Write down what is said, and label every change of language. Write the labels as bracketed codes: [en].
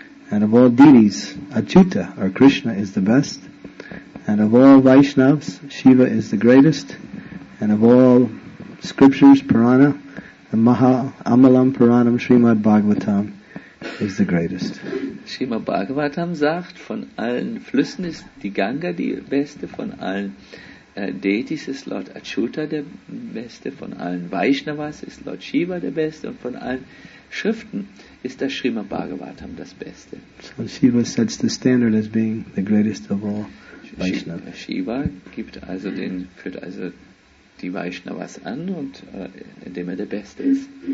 [en] Out of all deities, Achyuta or Krishna is the best. Out of all Vaishnavas, Shiva is the greatest. And of all scriptures, Purana, the Maha Amalam Puranam Srimad Bhagavatam is the greatest. [de] Srimad Bhagavatam sagt, von allen Flüssen ist die Ganga die beste, von allen Deities ist Lord Achyuta der beste, von allen Vaishnavas ist Lord Shiva der beste und von allen Schriften ist das Srimad Bhagavatam das beste. [en] So Shiva sets the standard as being the greatest of all Vaishnavas. [de] Shiva gibt also den, führt also die Vaishnavas an und indem er der Beste ist.